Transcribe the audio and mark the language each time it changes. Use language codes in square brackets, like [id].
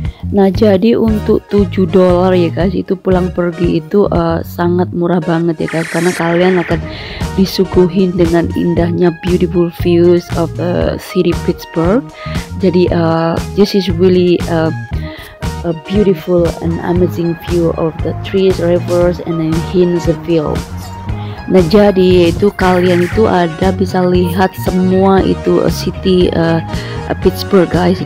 [id] Nah jadi untuk $7 ya guys, itu pulang pergi itu sangat murah banget ya guys, karena kalian akan disuguhin dengan indahnya [en] beautiful views of the city Pittsburgh. Jadi this is really a beautiful and amazing view of the trees, rivers, and then Hinsdale fields. [id] Nah jadi itu kalian itu ada bisa lihat semua itu city Pittsburgh guys.